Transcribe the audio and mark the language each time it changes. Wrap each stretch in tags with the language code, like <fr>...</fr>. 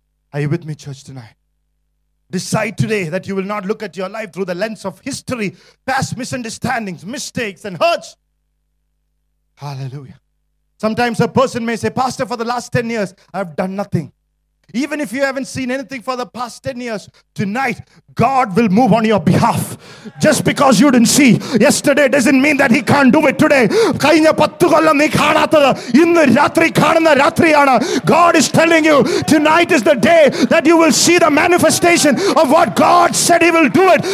<en>Are you with me, church, tonight? Decide today that you will not look at your life through the lens of history, past misunderstandings, mistakes, and hurts. Hallelujah. Sometimes a person may say, Pastor, for the last 10 years, I've done nothing. Even if you haven't seen anything for the past 10 years, tonight, God will move on your behalf. Just because you didn't see yesterday doesn't mean that He can't do it today.</en> <ml>കഴിഞ്ഞ 10 കൊല്ലം നീ കാണാത്തത് ഇന്ന് രാത്രി കാണുന്ന രാത്രിയാണ്.</ml> <en>God is telling you, tonight is the day that you will see the manifestation of what God said He will do it.</en>